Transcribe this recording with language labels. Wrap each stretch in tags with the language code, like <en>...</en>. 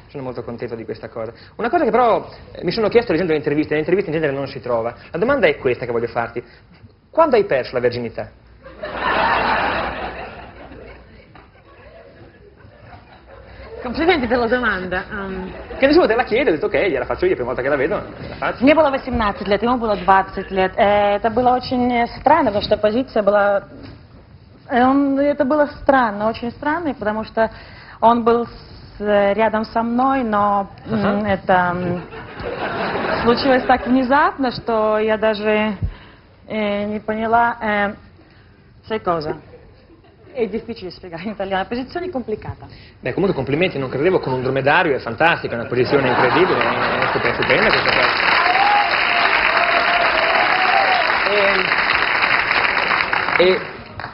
<it>Sono molto contento di questa cosa. Una cosa che però mi sono chiesto leggendo le interviste in genere non si trova. La domanda è questa che voglio farti. Quando hai perso la verginità? Complimenti per la domanda. Che nessuno te la chiede, ho detto ok, gliela faccio io, la prima volta che la vedo, la faccio.</it> <ru>Мне было 18 лет, ему было 20 лет. Это было очень странно, потому что позиция была... Это было странно, очень странно, потому что он был рядом со мной, но это случилось так внезапно, что я даже не поняла...</ru> <it>Sai cosa? È difficile spiegare in italiano, la posizione è complicata. Beh, comunque complimenti, non credevo, con un dromedario è fantastica, è una posizione incredibile, è stupenda questa cosa.</it>